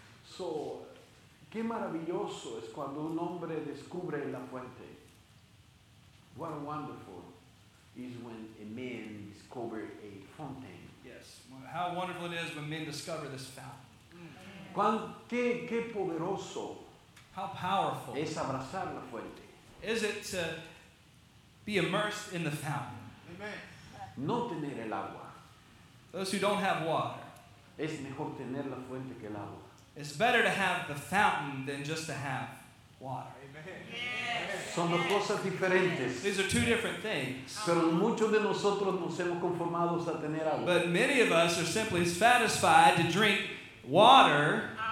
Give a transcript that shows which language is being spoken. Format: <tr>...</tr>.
<es>So, qué maravilloso es cuando un hombre descubre la fuente.</es> <en>What a wonderful is when a man discovers a fountain. Yes. How wonderful it is when men discover this fountain.</en> <es>Qué poderoso.</es> <en>How powerful.</en> <es>Es abrazar la fuente.</es> <en>Is it to be immersed in the fountain.</en> <es>No tener el agua.</es> <en>Those who don't have water.</en> <es>Es mejor tener la fuente que el agua.</es> <en>It's better to have the fountain than just to have water. Yes.</en> <es>Son dos cosas diferentes.</es> <en>These are two different things.</en> <es>Pero muchos de nosotros nos hemos conformados a tener agua.</es> <en>But many of us are simply satisfied to drink water.</en>